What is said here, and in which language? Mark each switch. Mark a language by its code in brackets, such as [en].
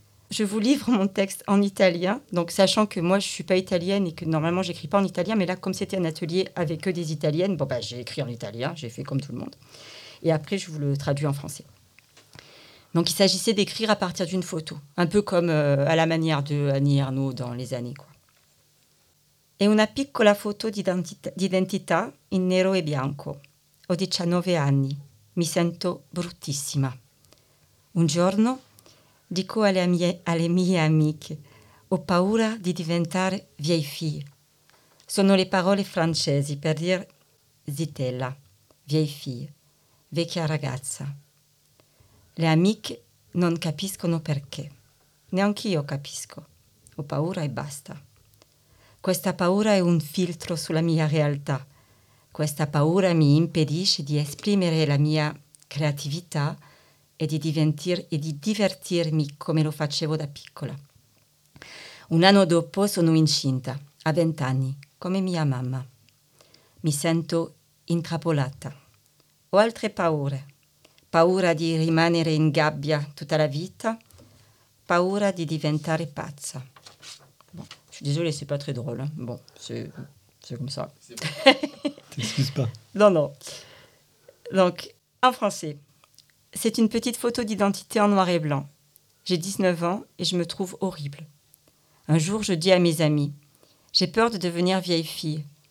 [fr] Je vous livre mon texte en italien, donc sachant que moi je ne suis pas italienne et que normalement je n'écris pas en italien, mais là comme c'était un atelier avec que des italiennes, j'ai écrit en italien, j'ai fait comme tout le monde. Et après je vous le traduis en français. Donc, il s'agissait d'écrire à partir d'une photo, un peu comme à la manière de Annie Ernaux dans les années, quoi. [it] Et una piccola foto d'identità in nero e bianco. Ho 19 anni. Mi sento bruttissima. Un giorno dico alle mie amiche: ho paura di diventare [fr] vieille fille. [it] Sono le parole francesi per dire zitella, [fr] vieille fille, [it] vecchia ragazza. Le amiche non capiscono perché. Neanch'io capisco. Ho paura e basta. Questa paura è un filtro sulla mia realtà. Questa paura mi impedisce di esprimere la mia creatività e di divertirmi come lo facevo da piccola. Un anno dopo sono incinta, a 20 anni, come mia mamma. Mi sento intrappolata. Ho altre paure. Paura di rimanere in gabbia tutta la vita. Paura di diventare pazza. [fr] Désolée, c'est pas très drôle. Bon, c'est comme ça. T'excuses pas. Non, non. Donc, en français, c'est une petite photo d'identité en noir et blanc. J'ai 19 ans et je me trouve horrible. Un jour, je dis à mes amis: j'ai peur de devenir vieille fille.